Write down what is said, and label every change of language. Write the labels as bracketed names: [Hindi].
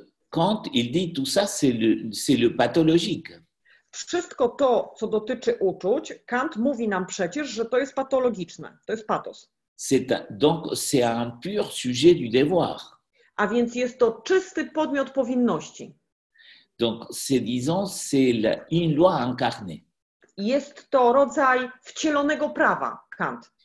[French] Kant, il dit tout ça, c'est le pathologique. [Polish] Wszystko to, co dotyczy uczuć, Kant mówi nam przecież, że to jest patologiczne. To jest patos. [French] C'est un, donc c'est un pur sujet du devoir. [Polish] A więc jest to czysty podmiot powinności. [French] Donc c'est disons c'est la, une loi incarnée. [Polish] Jest to rodzaj wcielonego prawa, Kant.